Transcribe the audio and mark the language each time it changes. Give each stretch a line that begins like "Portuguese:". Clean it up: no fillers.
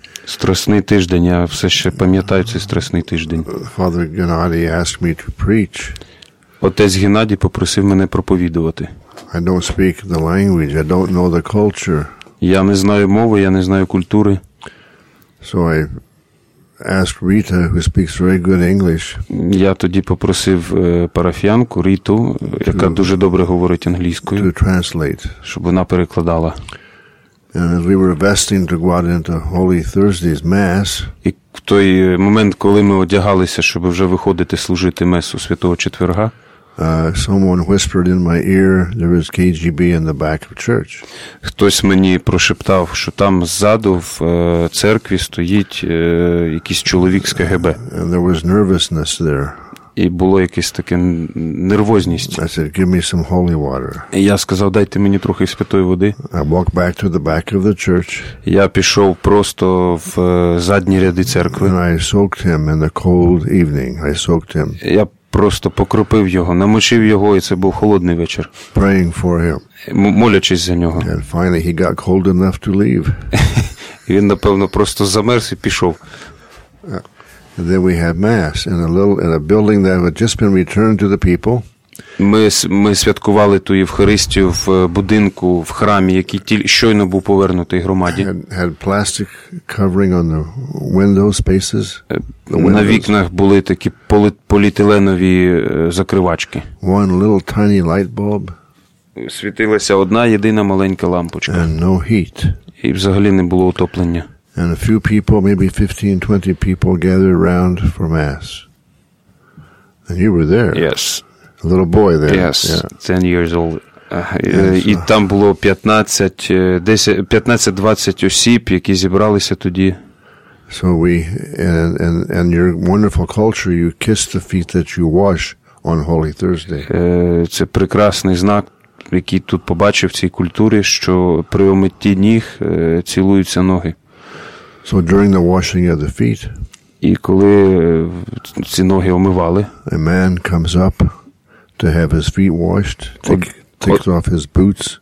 Ukrainian: Страсний тиждень, я все ще пам'ятаю цей страсний тиждень.
English: Father Gennady asked me to preach.
Ukrainian: Отець Геннадій попросив мене проповідувати.
English: I don't speak the language, I don't know the culture.
Ukrainian: Я не знаю мови, я не знаю культури.
English: So I asked Rita, who speaks very good English.
Ukrainian: Я тоді попросив парафіянку Риту, яка дуже добре говорить англійською,
English: to translate.
Ukrainian: Щоб вона перекладала.
English: And as we were vesting to go out into Holy Thursday's Mass.
Ukrainian: І в той момент, коли ми одягалися, щоб вже виходити служити месу Святого Четверга,
English: Someone whispered in my ear, there is KGB in the back of church.
Ukrainian: Хтось мені прошептав, що там ззаду в церкві стоїть якийсь чоловік з КГБ.
English: And there was nervousness there.
Ukrainian: І було якесь таке нервозність.
English: I said, give me some holy water.
Ukrainian: І я сказав, дайте мені трохи святої води.
English: I walked back to the back of the church.
Ukrainian: Я пішов просто в задні ряди церкви.
English: And I soaked him in the cold evening. I soaked him.
Ukrainian: Я просто покропив його, намочив його, і це був холодний вечір.
English: Praying for him.
Ukrainian: Молячись за нього.
English: And finally he got cold enough to leave.
Ukrainian: І він, напевно, просто замерз і пішов.
English: And then we had mass in a little in a building that had just been returned to the people.
Ukrainian: Ми святкували ту Євхаристію в будинку в храмі, який тільки щойно був повернутий громаді.
English: Had plastic covering on the window spaces.
Ukrainian: На вікнах були такі поліетиленові закривачки.
English: One little tiny light bulb.
Ukrainian: Світилася одна єдина маленька лампочка.
English: And no heat.
Ukrainian: І взагалі не було отоплення.
English: And a few people, maybe 15-20 people gathered around for mass. And you were there. Yes. A little boy there. Yes. Yeah. 10 years old.
Ukrainian: І там було 15-20 осіб, які зібралися тоді.
English: So we and your wonderful culture, you kiss the feet that you wash on Holy Thursday.
Ukrainian: Це прекрасний знак, який тут побачив в цій культурі, що при омитті ніг цілуються ноги.
English: So during the washing of the feet,
Ukrainian: і коли ці ноги омивали,
English: a man comes up to have his feet washed, takes off his boots.